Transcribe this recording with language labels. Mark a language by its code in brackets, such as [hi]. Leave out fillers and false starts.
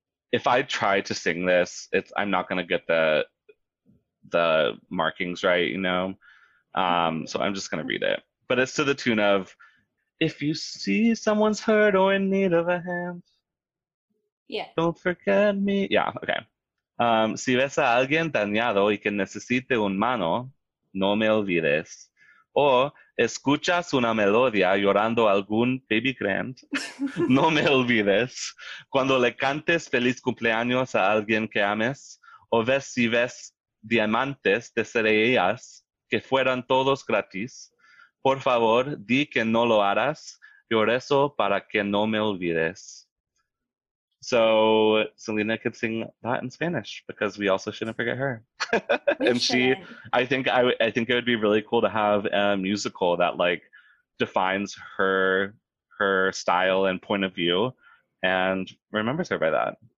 [en] If I try to sing this, I'm not going to get the markings right, you know? So I'm just going to read it. But it's to the tune of, if you see someone's hurt or in need of a hand, yeah, don't forget me. Yeah, okay. [es] Si ves a alguien dañado y que necesite un mano, no me olvides. O escuchas una melodía llorando algún baby grand, no me olvides. Cuando le cantes feliz cumpleaños a alguien que ames, o ves si ves diamantes de cerellas que fueran todos gratis, por favor, di que no lo harás. Yo rezo para que no me olvides. [en] So, Selena could sing that in Spanish because we also shouldn't forget her. I think it would be really cool to have a musical that like defines her style and point of view and remembers her by that.